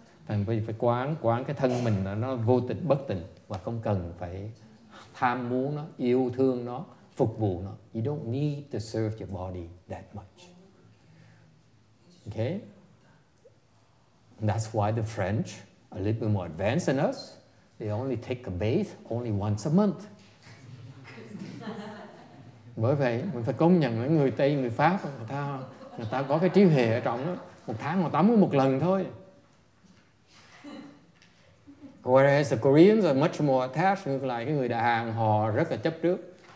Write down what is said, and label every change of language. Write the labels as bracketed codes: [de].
[vi] Thành phải quán cái thân mình nó vô tịnh bất tịnh và không cần phải tham muốn nó, yêu thương nó, phục vụ nó. [en] You don't need to serve your body that much. Okay? And that's why the French, a little bit more advanced than us, they only take a bath only once a month. [vi] Bởi vậy, mình phải công nhận người Tây, người Pháp, người ta có cái trí huệ ở trong đó. Một tháng họ tắm một lần thôi. [en] Whereas the Koreans are much more attached. [vi] Ngược lại, cái người Đại Hàn họ rất là chấp trước.